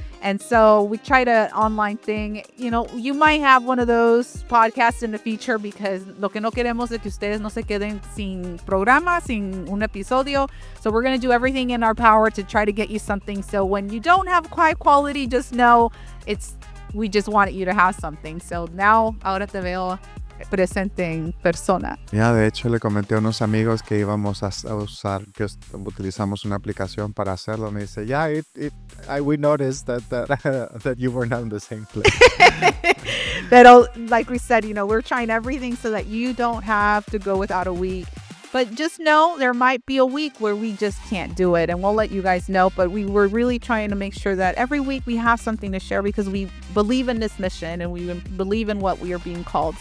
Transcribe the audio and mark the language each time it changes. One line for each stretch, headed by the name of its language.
English: And so we tried an online thing. You know, you might have one of those podcasts in the future because
Spanish: lo que no queremos es que ustedes no se queden sin programa, sin un episodio.
English: So we're going to do everything in our power to try to get you something. So when you don't have quality, just know it's we just wanted you to have something. So now,
Spanish: ahora te veo presente en persona. Ya, de hecho, le comenté a unos amigos que íbamos a usar, que utilizamos una aplicación para hacerlo. Me dice, ya,
English: we noticed that you were not in the same place.
Spanish: Pero,
English: like we said, you know, we're trying everything so that you don't have to go without a week. But just know there might be a week where we just can't do it, and we'll let you guys know. But we're really trying to make sure that every week we have something to share because we believe in this mission and we believe in what we are being called.